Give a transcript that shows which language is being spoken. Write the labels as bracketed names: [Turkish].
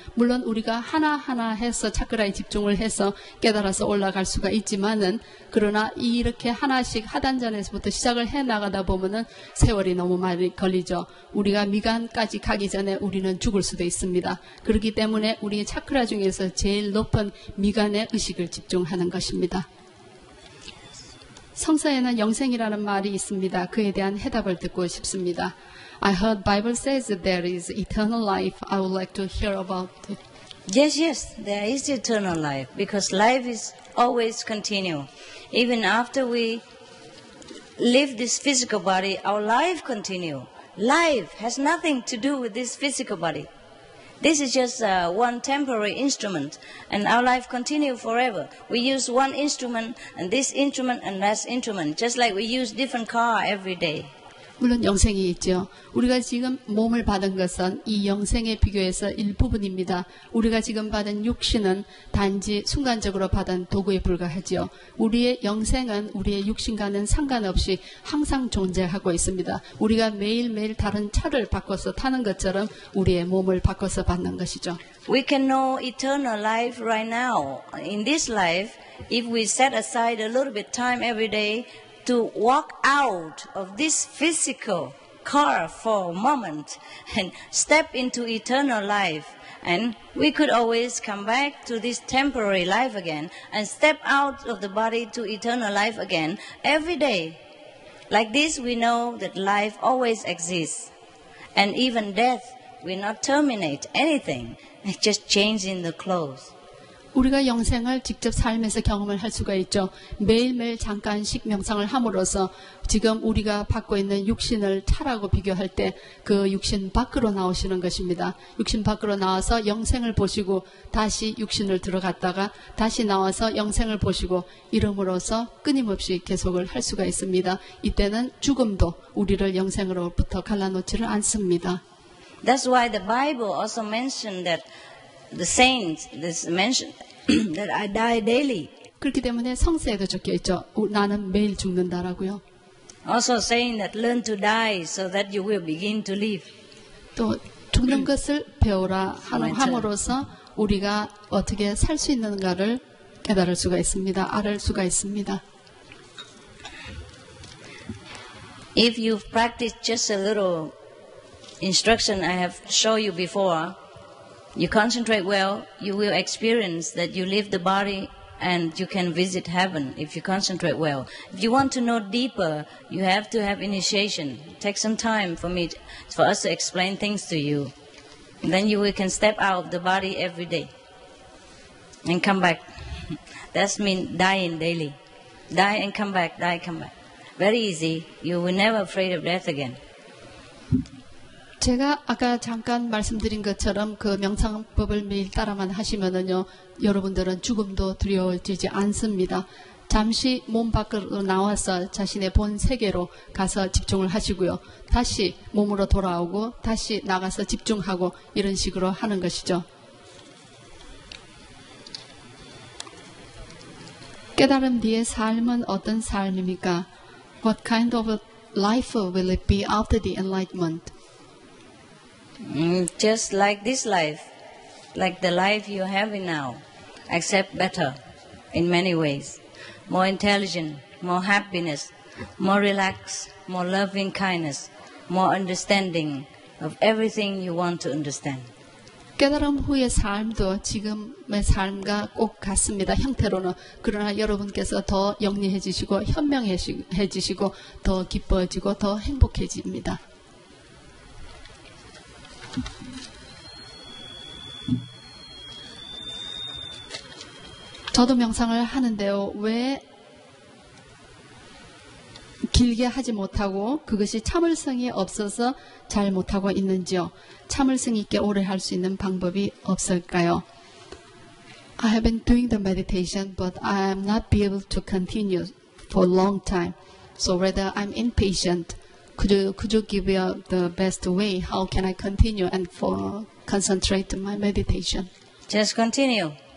[Korean] 물론 우리가 하나하나 해서 차크라에 집중을 해서 깨달아서 올라갈 수가 있지만은 그러나 이렇게 하나씩 하단전에서부터 시작을 해나가다 보면은 세월이 너무 많이 걸리죠. 우리가 미간까지 가기 전에 우리는 죽을 수도 있습니다. 그렇기 때문에 우리의 차크라 중에서 제일 높은 미간의 의식을 집중하는 것입니다. 성서에는 영생이라는 말이 있습니다. 그에 대한 해답을 듣고 싶습니다. [English] I heard Bible says there is eternal life. I would like to hear about it. Yes, yes, there is eternal life because life is always continue. Even after we leave this physical body, our life continue. Life has nothing to do with this physical body. This is just one temporary instrument, and our life continues forever. We use one instrument, and this instrument, and that instrument, just like we use different car every day. [Korean] 물론 영생이 있죠. 우리가 지금 몸을 받은 것은 이 영생에 비교해서 일부분입니다. 우리가 지금 받은 육신은 단지 순간적으로 받은 도구에 불과하죠. 우리의 영생은 우리의 육신과는 상관없이 항상 존재하고 있습니다. 우리가 매일매일 다른 차를 바꿔서 타는 것처럼 우리의 몸을 바꿔서 받는 것이죠. [English] We can know eternal life right now. In this life, if we set aside a little bit time every day, to walk out of this physical car for a moment and step into eternal life. And we could always come back to this temporary life again and step out of the body to eternal life again every day. Like this, we know that life always exists. And even death will not terminate anything. It just changes in the clothes. [Korean] 우리가 영생을 직접 삶에서 경험을 할 수가 있죠. 매일매일 잠깐씩 명상을 함으로써 지금 우리가 받고 있는 육신을 차라고 비교할 때 그 육신 밖으로 나오시는 것입니다. 육신 밖으로 나와서 영생을 보시고 다시 육신을 들어갔다가 다시 나와서 영생을 보시고 이름으로써 끊임없이 계속을 할 수가 있습니다. 이때는 죽음도 우리를 영생으로부터 갈라놓지를 않습니다. [English] That's why the Bible also mentioned that the saints this mentioned that I die daily. [Korean] 그렇기 때문에 성서에도 적혀 있죠. 나는 매일 죽는다라고요. [English] Also saying that learn to die so that you will begin to live. [Korean] 또 죽는 것을 배우라 함으로써 우리가 어떻게 살 수 있는가를 깨달을 수가 있습니다. 알을 수가 있습니다. [English] If you practice just a little instruction I have shown you before, you concentrate well, you will experience that you leave the body and you can visit heaven if you concentrate well. If you want to know deeper, you have to have initiation. Take some time for me, for us to explain things to you. And then you can step out of the body every day and come back. That means dying daily. Die and come back, die and come back. Very easy. You will never afraid of death again. [Korean] 제가 아까 잠깐 말씀드린 것처럼 그 명상법을 매일 따라만 하시면은요, 여러분들은 죽음도 두려워지지 않습니다. 잠시 몸 밖으로 나와서 자신의 본 세계로 가서 집중을 하시고요. 다시 몸으로 돌아오고 다시 나가서 집중하고 이런 식으로 하는 것이죠. 깨달음 뒤의 삶은 어떤 삶입니까? [English] What kind of a life will it be after the enlightenment? Just like this life, like the life you're having now, except better in many ways. More intelligent, more happiness, more relaxed, more loving kindness, more understanding of everything you want to understand. [Korean] 깨달음 후의 삶도 지금의 삶과 꼭 같습니다. 형태로는. 그러나 여러분께서 더 영리해지시고 현명해지시고 더 기뻐지고 더 행복해집니다. Mm-hmm. 저도 명상을 하는데요. 왜 길게 하지 못하고 그것이 참을성이 없어서 잘 못하고 있는지요? 참을성 있게 오래 할 수 있는 방법이 없을까요? [English] I have been doing the meditation, but I am not be able to continue for a long time. So rather I'm impatient. Could you give me the best way? How can I continue and for concentrate my meditation? Just continue.